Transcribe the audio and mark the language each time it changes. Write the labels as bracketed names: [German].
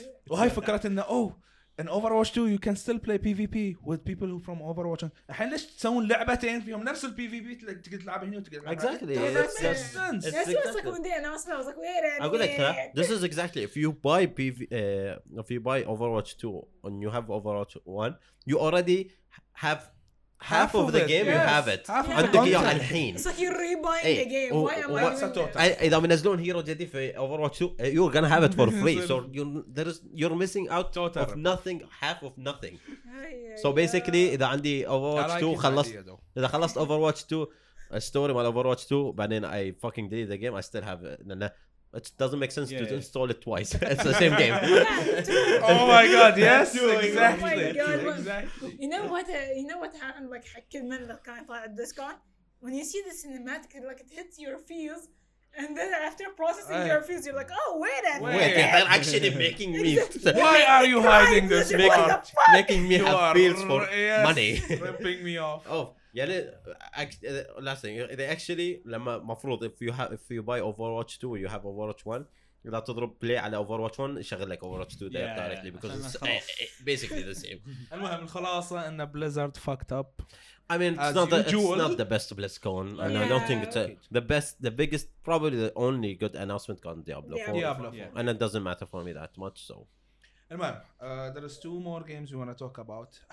[Arabic] وهاي فكرت إنه [English] in Overwatch 2 you can still play PvP with people who from Overwatch. [Arabic] الحين ليش تسوون لعبتين فيهم نفس ال PvP تقدر تلعب هنا وتقدر تلعب. [English] Exactly. That's just. That's just. This is exactly if you buy if you buy Overwatch 2 and you have Overwatch 1, you already have. Half of the game you have it. [Arabic] عندك اياها الحين. [English] It's like you're rebuying the game. Why am I? [Arabic] اذا بينزلون هيرو جديد في [English] Overwatch 2 you're gonna have it for free. So you're missing out of nothing, half of nothing. So basically [Arabic] اذا عندي Overwatch 2 خلصت اذا خلصت Overwatch 2 الستوري مال Overwatch 2 بعدين [English] I fucking delete the game I still have it. It doesn't make sense to install it twice. It's the same game. Yeah, oh my god, yes, exactly. You know what happened, like [Arabic] حكينا لك كان طالع الديسكورد. [English] When you see the cinematic, like it hits your feels, and then after processing your feels, you're like, oh wait a minute. Wait, they're actually making me why are you hiding this part? Making me have feels for money. Ripping me off. Oh. يعني last thing إذا actually [Arabic] لما مفروض [English] if you buy Overwatch 2 you have Overwatch 1 [Arabic] إذا تضرب [English] play على Overwatch 1 [Arabic] يشغل لك [English] Overwatch 2 directly because it's basically the same. [Arabic] المهم الخلاصة إن Blizzard [English] fucked up. I mean it's not the best BlizzCon and I don't think it's the biggest probably the only good announcement on Diablo 4. Diablo 4. And it doesn't matter for me that much so. [Arabic] المهم [English] there is two more games we want to talk about.